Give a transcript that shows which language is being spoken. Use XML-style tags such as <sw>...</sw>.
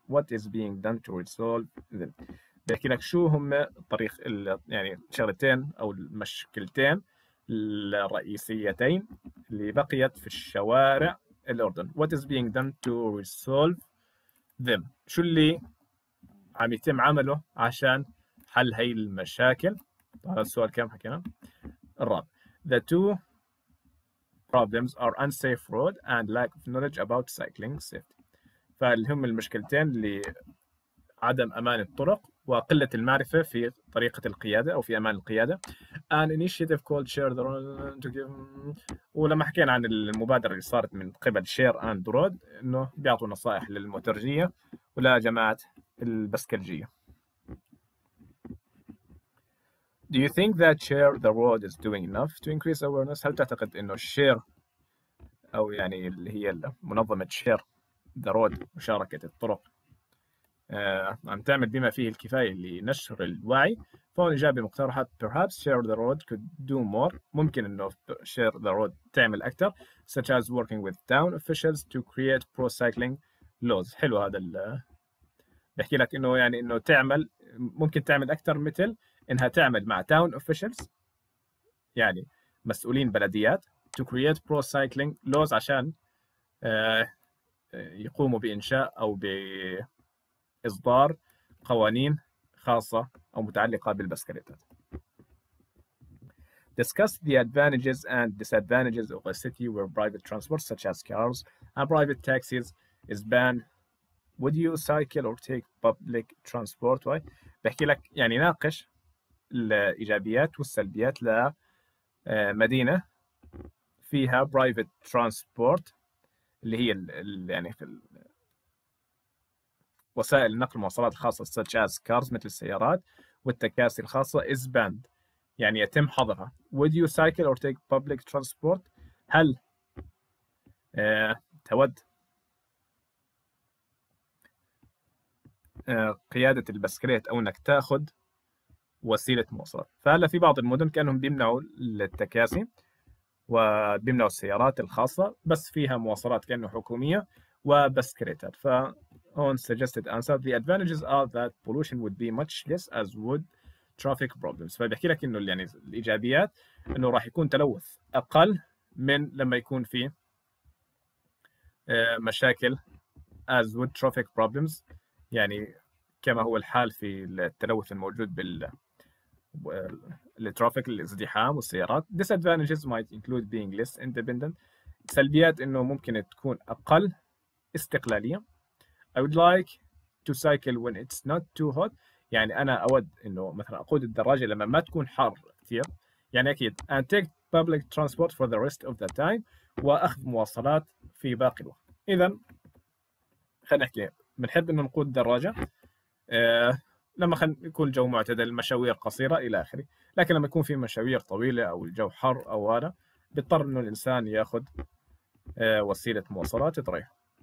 <en>What is being done to resolve them?</en> <ar>بحكي لك شو هم الطريق يعني شغلتين أو المشكلتين الرئيسيتين اللي بقيت في الشوارع الأردن.</ar> <en>What is being done to resolve them?</en> <ar>شو اللي عم يتم عمله عشان حل هاي المشاكل؟ هذا السؤال كم حكينا؟ الرابع.</ar> <en>The two problems are unsafe road and lack of knowledge about cycling safety.</en> <ar>فالهم المشكلتين اللي عدم أمان الطرق وقلة المعرفة في طريقة القيادة أو في أمان القيادة.</ar> <en>An initiative called Share the Road to give.</en> <ar>ولما حكينا عن المبادرة اللي صارت من قبل Share and Road إنه بيعطوا نصائح للمترجية ولا جماعة البسكلجية.</ar> <en>Do you think that share the road is doing enough to increase awareness?</en> <ar>هل تعتقد انه الشير او يعني اللي هي منظمة شير the road مشاركة الطرق عم تعمل بما فيه الكفاية لنشر الوعي؟ فهون إجابة مقترحة,</ar> <en>perhaps share the road could do more.</en> <ar>ممكن انه</ar> <en>share the road</en> <ar>تعمل اكثر,</ar> <en>such as working with town officials to create pro cycling laws.</en> <ar>حلو هذا بحكي لك انه يعني انه تعمل ممكن تعمل اكثر, مثل إنها تعمل مع</ar> <en>town officials</en> <ar>يعني مسؤولين بلديات</ar> <en>to create pro cycling laws</en> <ar>عشان يقوموا بإنشاء أو بإصدار قوانين خاصة أو متعلقة بالبسكليتات.</ar> <en>Discuss the advantages and disadvantages of a city where private transport such as cars and private taxis is banned. Would you cycle or take public transport? Why?</en> <ar>بحكي لك يعني ناقش الإيجابيات والسلبيات لمدينة فيها</ar> <en>private transport</en> <ar>اللي هي الـ يعني وسائل النقل المواصلات الخاصة</ar> <en>such as cars</en> <ar>مثل السيارات والتكاسي الخاصة</ar> <en>is banned</en> <ar>يعني يتم حظرها.</ar> <en>Would you cycle or take public transport?</en> <ar>هل تود قيادة البسكليت أو أنك تأخذ وسيلة مواصلات؟ فهلا في بعض المدن كأنهم بيمنعوا التكاسي وبيمنعوا السيارات الخاصة بس فيها مواصلات كأنه حكومية وبسكريتات.</ar> <en>own suggested answer. The advantages are that pollution would be much less as would traffic problems.</en> <ar>فبيحكي لك انه يعني الايجابيات انه راح يكون تلوث اقل من لما يكون في مشاكل</ar> <en>as would traffic problems,</en> <ar>يعني كما هو الحال في التلوث الموجود بالترافيك, الازدحام والسيارات.</ar> <en>Disadvantages might include being less independent.</en> <ar>سلبيات انه ممكن تكون اقل استقلالية.</ar> <en>I would like to cycle when it's not too hot.</en> <ar>يعني انا اود انه مثلا اقود الدراجة لما ما تكون حر كثير. يعني اكيد.</ar> <en>And take public transport for the rest of the time.</en> <ar>واخذ مواصلات في باقي الوقت. اذا خلينا نحكي بنحب انه نقود الدراجة لما يكون الجو معتدل, المشاوير قصيرة الى اخره. لكن لما يكون في مشاوير طويلة او الجو حر او هذا, بيضطر انه الانسان ياخذ وسيلة مواصلات تريحه.</ar>